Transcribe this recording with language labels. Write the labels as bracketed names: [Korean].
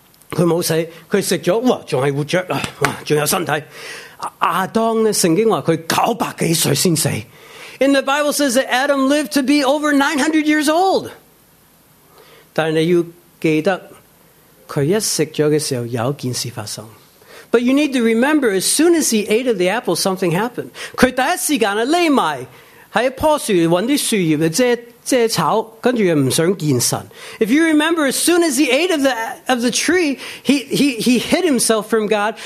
[Chinese] 他没死，他吃了，哇，还活着，哇，还有身体。亚当呢，圣经话他900多岁才死。 [English] And the Bible says that Adam lived to be over 900 years old. [Chinese] 但你要记得，他一吃了的时候，有一件事发生。 [English] But you need to remember, as soon as he ate of the apple, something happened. [Chinese] 他第一时间呢，躲在一棵树，找些草。 [English] If you remember, as soon as he ate of the tree, he hid himself from God.